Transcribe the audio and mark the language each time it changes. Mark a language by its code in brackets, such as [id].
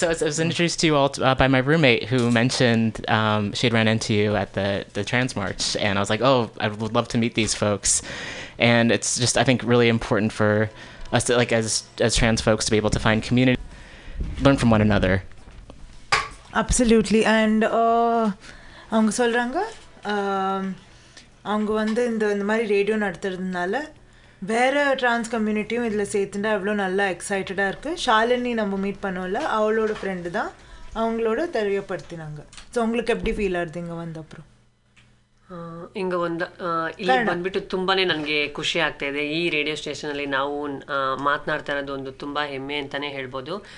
[en] So I was introduced to you all by my roommate, who mentioned she had ran into you at the Trans March, and I was like, oh, I would love to meet these folks. And it's just, I think, really important for us to, like, as trans folks, to be able to find community, learn from one another. Absolutely. [ta] And அவங்க சொல்றாங்க அவங்க வந்து இந்த மாதிரி radio நடத்துறதுனால வேற trans கம்யூனிட்டியும் இதில் சேர்த்துட்டா அவ்வளோ நல்லா எக்ஸைட்டடாக இருக்குது. ஷாலினி நம்ம மீட் பண்ணோம்ல, அவளோட ஃப்ரெண்டு தான், அவங்களோட தெரியப்படுத்தினாங்க. ஸோ உங்களுக்கு எப்படி ஃபீல் ஆகுது இங்கே வந்த அப்புறம்? [kn] ಇಂಗೇ ಒಂದು ಇಲ್ಲಿ ಬಂದುಬಿಟ್ಟು ತುಂಬಾ ನನಗೆ ಖುಷಿ ಆಗ್ತಾ ಇದೆ. ಈ ರೇಡಿಯೋ ಸ್ಟೇಷನಲ್ಲಿ ನಾವು ಮಾತನಾಡ್ತಾ ಇರೋದು ಒಂದು ತುಂಬ ಹೆಮ್ಮೆ ಅಂತಲೇ ಹೇಳ್ಬೋದು.